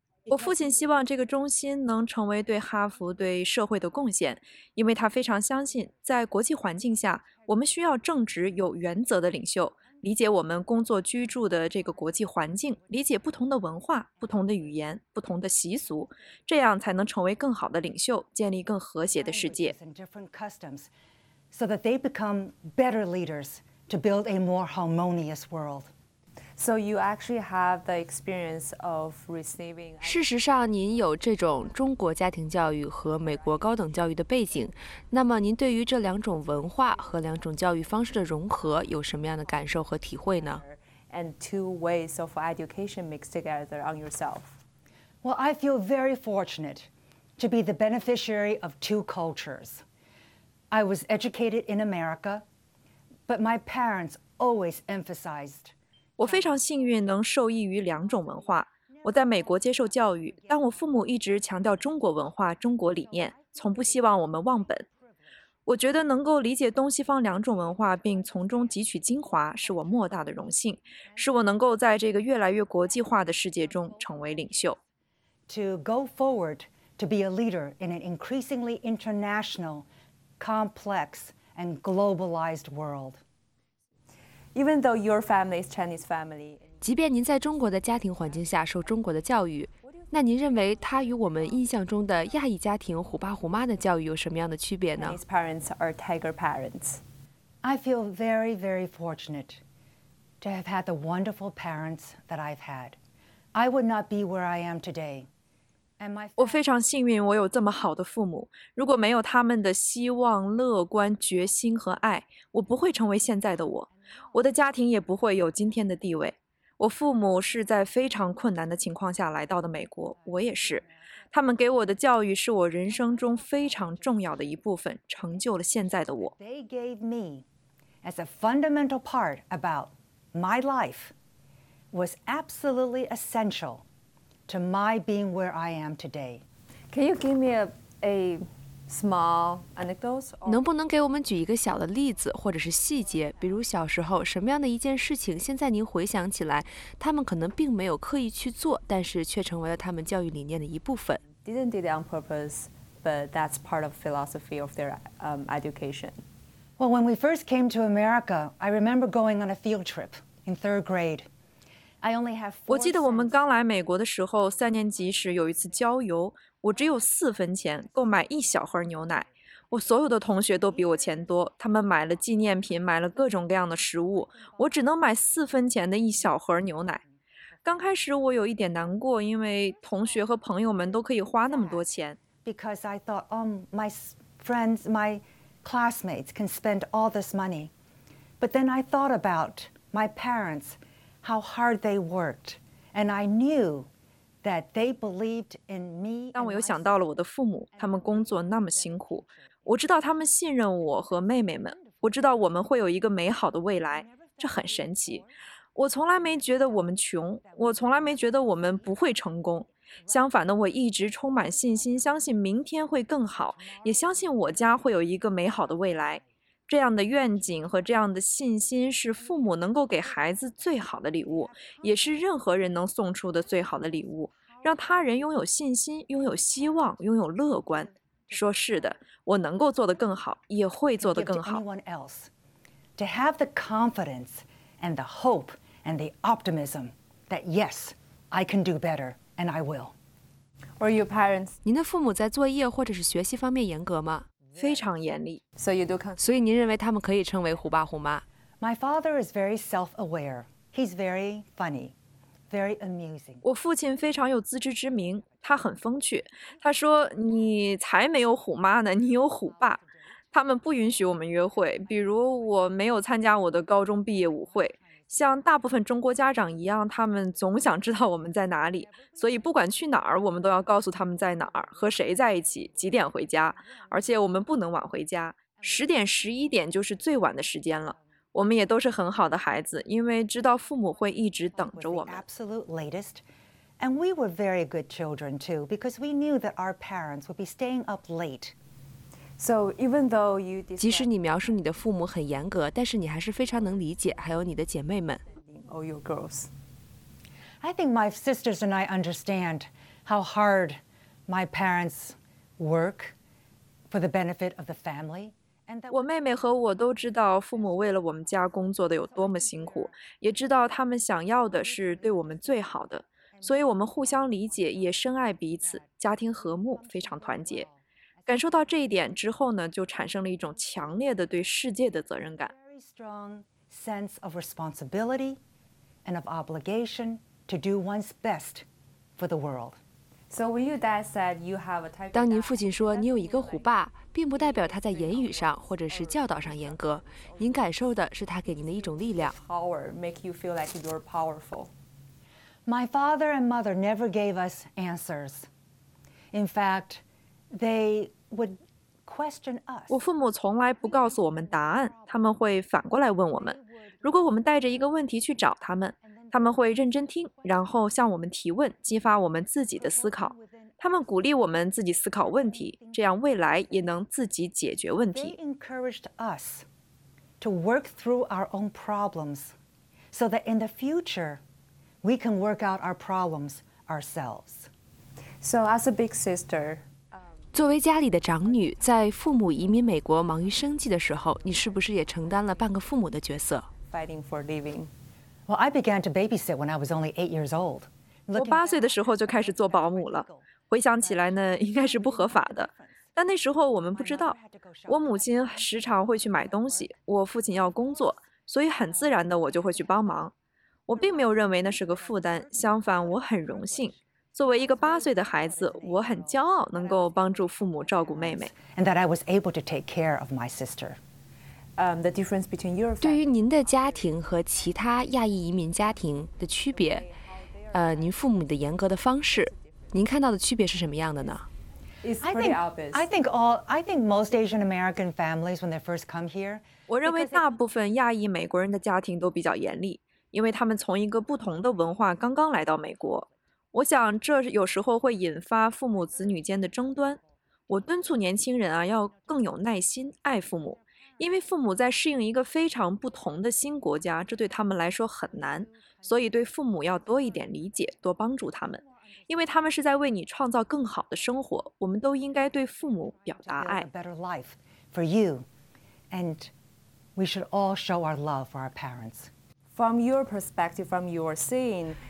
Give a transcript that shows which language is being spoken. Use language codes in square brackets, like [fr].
[zh] 我父亲希望这个中心能成为对哈佛对社会的贡献，因为他非常相信在国际环境下我们需要正直有原则的领袖，理解我们工作居住的这个国际环境，理解不同的文化、不同的语言、不同的习俗，这样才能成为更好的领袖，建立更和谐的世界。 [en] And different customs, so that they become better leaders to build a more harmonious world. So you actually have the experience of receiving. [zh] 事实上，您有这种中国家庭教育和美国高等教育的背景。那么您对于这两种文化和两种教育方式的融合有什么样的感受和体会呢？ [en] And two ways of education mixed together on yourself. Well, I feel very fortunate to be the beneficiary of two cultures. I was educated in America, but my parents always emphasized. [zh] 我非常幸运能受益于两种文化。我在美国接受教育，但我父母一直强调中国文化、中国理念，从不希望我们忘本。我觉得能够理解东西方两种文化并从中汲取精华是我莫大的荣幸，是我能够在这个越来越国际化的世界中成为领袖。 [en] To go forward to be a leader in an increasingly international, complex and globalized world. Even though your family is Chinese family, [zh] 即便您在中国的家庭环境下受中国的教育，那您认为它与我们印象中的亚裔家庭虎爸虎妈的教育有什么样的区别呢？ [en] Chinese parents are tiger parents. I feel very, very fortunate to have had the wonderful parents that I've had. I would not be where I am today. And my [zh] 我非常幸运，我有这么好的父母。如果没有他们的希望、乐观、决心和爱，我不会成为现在的我。我的家庭也不会有今天的地位。我父母是在非常困难的情况下来到的美国，我也是。他们给我的教育是我人生中非常重要的一部分，成就了现在的我。 [en] They gave me as a fundamental part about my life was absolutely essential to my being where I am today. Can you give me a small anecdotes? [zh] 能不能给我们举一个小的例子或者是细节，比如小时候什么样的一件事情现在您回想起来他们可能并没有刻意去做，但是却成为了他们教育理念的一部分。 [en] Didn't do it on purpose, but that's part of philosophy of their education. Well, when we first came to America, I remember going on a field trip in third grade. I only have four [zh] 我记得我们刚来美国的时候，三年级时有一次郊游，我只有四分钱购买一小盒牛奶。我所有的同学都比我钱多，他们买了纪念品，买了各种各样的食物，我只能买四分钱的一小盒牛奶。刚开始我有一点难过，因为同学和朋友们都可以花那么多钱。 [en] Because I thought, my friends, my classmates can spend all this money. But then I thought about my parents, how hard they worked, and I knew. That they believed in me. [zh] 但我又想到了我的父母，他们工作那么辛苦，我知道他们信任我和妹妹们，我知道我们会有一个美好的未来，这很神奇。我从来没觉得我们穷，我从来没觉得我们不会成功。相反的，我一直充满信心，相信明天会更好，也相信我家会有一个美好的未来。这样的愿景和这样的信心是父母能够给孩子最好的礼物，也是任何人能送出的最好的礼物，让他人拥有信心，拥有希望，拥有乐观，说是的，我能够做得更好，也会做得更好。 [en] To anyone else, to have the confidence and the hope and the optimism that yes, I can do better and I will. Were your parents? [zh] 您的父母在作业或者是学习方面严格吗？非常严厉。 [en] So you do come. [zh] 所以您认为他们可以称为虎爸虎妈 [en] ？My father is very self-aware. He's very funny, very amusing. [zh] 我父亲非常有自知之明，他很风趣。他说：“你才没有虎妈呢，你有虎爸。” 他们不允许我们约会，比如我没有参加我的高中毕业舞会。像大部分中国家长一样，他们总想知道我们在哪里，所以不管去哪儿，我们都要告诉他们在哪儿，和谁在一起，几点回家。而且我们不能晚回家，十点、十一点就是最晚的时间了。我们也都是很好的孩子，因为知道父母会一直等着我们。 [en] Absolute latest, and we were very good children too, because we knew that our parents would be staying up late. So even though you, [zh] 即使你描述你的父母很严格，但是你还是非常能理解，还有你的姐妹们。 [en] All your girls. I think my sisters and I understand how hard my parents work for the benefit of the family. [zh] 我妹妹和我都知道父母为了我们家工作的有多么辛苦，也知道他们想要的是对我们最好的，所以我们互相理解，也深爱彼此，家庭和睦，非常团结。感受到这一点之后呢，就产生了一种强烈的对世界的责任感。 [en] Very strong sense of responsibility and of obligation to do one's best for the world. So when your dad said you have a type, [zh] 当您父亲说你有一个虎爸，并不代表他在言语上或者是教导上严格，您感受的是他给您的一种力量。 [en] Power make you feel like you're powerful. My father and mother never gave us answers. In fact. They would question us. [zh] 我父母从来不告诉我们答案，他们会反过来问我们。如果我们带着一个问题去找他们，他们会认真听，然后向我们提问，激发我们自己的思考。他们鼓励我们自己思考问题，这样未来也能自己解决问题。 [en] They encouraged us to work through our own problems, so that in the future we can work out our problems ourselves. So as a big sister. [zh] 作为家里的长女，在父母移民美国忙于生计的时候，你是不是也承担了半个父母的角色 [en] ？Fighting for living. Well, I began to babysit when I was only 8 years old. [zh] 我八岁的时候就开始做保姆了。回想起来呢，应该是不合法的，但那时候我们不知道。我母亲时常会去买东西，我父亲要工作，所以很自然的我就会去帮忙。我并没有认为那是个负担，相反，我很荣幸。作为一个八岁的孩子，我很骄傲能够帮助父母照顾妹妹。 [en] And that I was able to take care of my sister. The difference between your [zh] 对于您的家庭和其他亚裔移民家庭的区别，您父母的严格的方式，您看到的区别是什么样的呢 [en] ？It's pretty obvious. I think most Asian American families when they first come here. [zh] 我认为大部分亚裔美国人的家庭都比较严厉，因为他们从一个不同的文化刚刚来到美国。我想这有时候会引发父母子女间的争端。我敦促年轻人啊，要更有耐心，爱父母，因为父母在适应一个非常不同的新国家，这对他们来说很难，所以对父母要多一点理解，多帮助他们，因为他们是在为你创造更好的生活。我们都应该对父母表达爱。 [en] A better life for you, and we should all show our love for our parents. From your perspective, from your scene.